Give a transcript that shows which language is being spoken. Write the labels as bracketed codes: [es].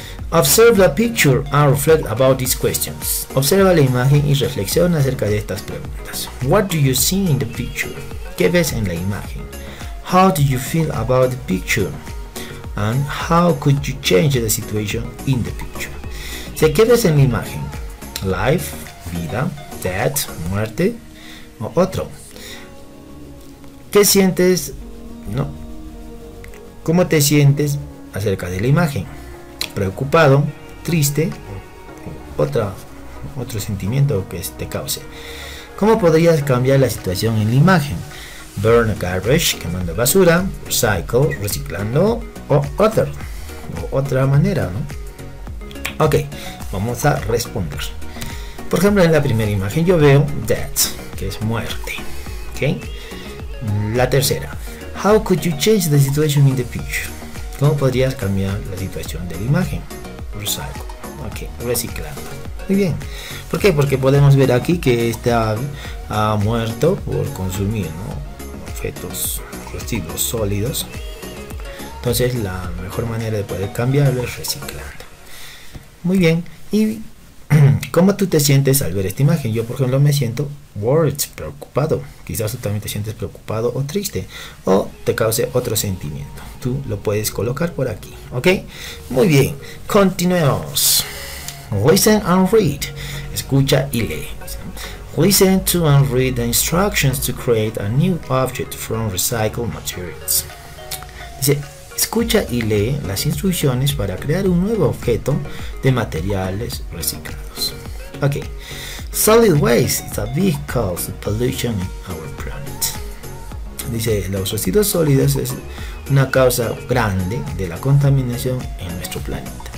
[en] Observe the picture and reflect about these questions. [es] Observa la imagen y reflexiona acerca de estas preguntas. [en] What do you see in the picture? [es] ¿Qué ves en la imagen? [en] How do you feel about the picture? And how could you change the situation in the picture? [es] ¿Se qué ves en la imagen? Life, vida, death, muerte, o otro. ¿Qué sientes? No. ¿Cómo te sientes acerca de la imagen? Preocupado, triste, otro sentimiento que te cause. ¿Cómo podrías cambiar la situación en la imagen? [en] Burn garbage, [es] quemando basura, recycle, reciclando, o other, o otra manera, ¿no? Ok, vamos a responder. Por ejemplo, en la primera imagen yo veo death, que es muerte. Ok, la tercera. [en] How could you change the situation in the picture? [es] ¿Cómo podrías cambiar la situación de la imagen? Recycle. Ok, reciclando. Muy bien. ¿Por qué? Porque podemos ver aquí que está muerto por consumir, ¿no?, objetos, residuos sólidos. Entonces, la mejor manera de poder cambiarlo es reciclando. Muy bien. ¿Y cómo tú te sientes al ver esta imagen? Yo, por ejemplo, me siento worried, preocupado. Quizás tú también te sientes preocupado o triste. O te cause otro sentimiento. Tú lo puedes colocar por aquí. ¿Ok? Muy bien. Continuemos. [en] Listen and read. [es] Escucha y lee. [en] Listen to and read the instructions to create a new object from recycled materials. [es] Dice, escucha y lee las instrucciones para crear un nuevo objeto de materiales reciclados. Ok. [en] Solid waste is a big cause of pollution in our planet. [es] Dice, los residuos sólidos es una causa grande de la contaminación en nuestro planeta.